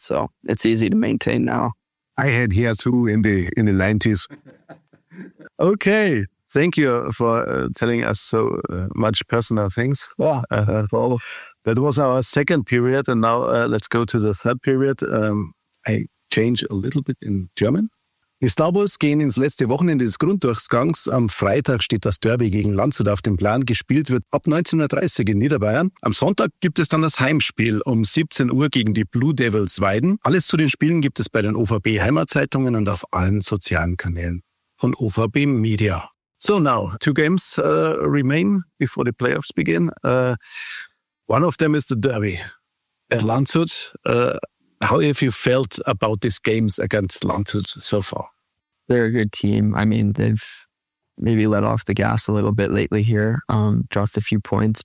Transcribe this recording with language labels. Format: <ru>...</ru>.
<en>So it's easy to maintain now. I had hair too in the 90s. Okay. Thank you for telling us so much personal things. Yeah. That was our second period. And now let's go to the third period. Change a little bit in German.</en> <de>Die Star Bulls gehen ins letzte Wochenende des Grunddurchgangs. Am Freitag steht das Derby gegen Landshut auf dem Plan. Gespielt wird ab 19:30 in Niederbayern. Am Sonntag gibt es dann das Heimspiel um 17 Uhr gegen die Blue Devils Weiden. Alles zu den Spielen gibt es bei den OVB Heimatzeitungen und auf allen sozialen Kanälen von OVB Media.</de> <en>So now, two games remain before the playoffs begin. One of them is the Derby. At Landshut, how have you felt about these games against Landshut so far? They're a good team. I mean, they've maybe let off the gas a little bit lately here, dropped a few points.</en>